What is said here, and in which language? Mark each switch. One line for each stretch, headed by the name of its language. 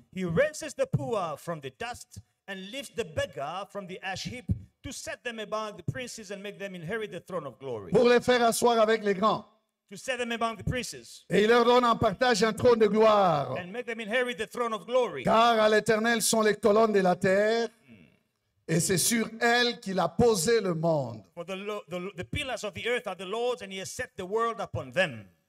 English: He raises the poor from the dust and lifts the beggar from the ash heap to set them among the princes and make them inherit the throne of glory.
French: Pour les faire asseoir avec les grands.
English: To set them among the princes.
French: Et il leur donne en partage un trône de gloire.
English: And make them inherit the throne of glory.
French: Car à l'Éternel sont les colonnes de la terre. Et c'est sur elle qu'il a posé le monde.
English: For the pillars of the earth are the Lord's, and he has set the world upon them.